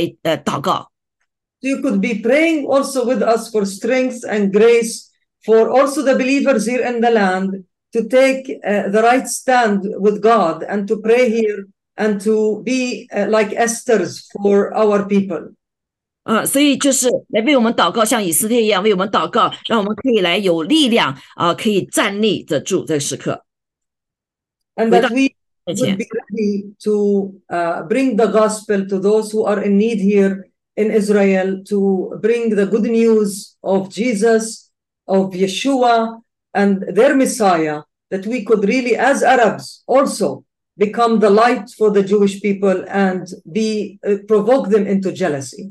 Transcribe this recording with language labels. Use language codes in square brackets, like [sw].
[en] you could be praying also with us for strength and grace. For also the believers here in the land to take the right stand with God and to pray here and to be like Esther's for our people. [zh] 所以就是来为我们祷告，像以色列一样为我们祷告，让我们可以来有力量啊、可以站立得住在时刻。 [en] And that we would be ready to bring the gospel to those who are in need here in Israel, to bring the good news of Jesus. Of Yeshua and their Messiah, that we could really, as Arabs, also become the light for the Jewish people and be provoke them into jealousy.